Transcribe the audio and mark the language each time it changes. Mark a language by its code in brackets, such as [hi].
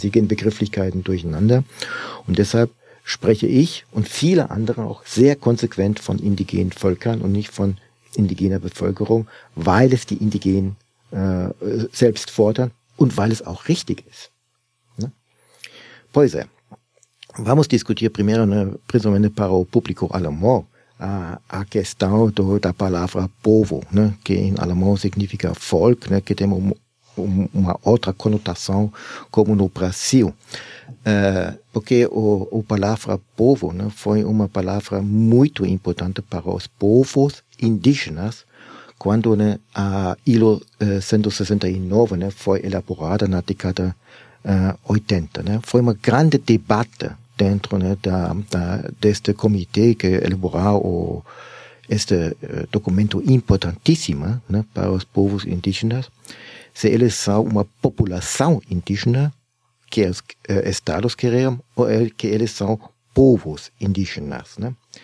[de] Also hier gehen Begrifflichkeiten durcheinander. Und deshalb spreche ich und viele andere auch sehr konsequent von indigenen Völkern und nicht von indigener Bevölkerung, weil es die Indigenen selbst fordern und weil es auch richtig ist. [pt] Ne? Poise. [es] Vamos discutir primero, ¿no? Precisamente para el público alemán, a qué estado la palabra povo, ¿no? Que en alemán significa folk, ¿no? Que tiene una otra connotación como en el Brasil. Porque la palabra povo, ¿no? Fue una palabra muy importante para los povos indígenas cuando, ¿no? A ILO 169, ¿no? Fue elaborada en la década 80, ¿no? Fue una grande debate dentro, [pt] né, [es] de este comité [pt] que elaborou este documento importantíssimo, né, para os povos indígenas, se eles são uma população indígena que os estados queriam ou que eles são povos indígenas. Né?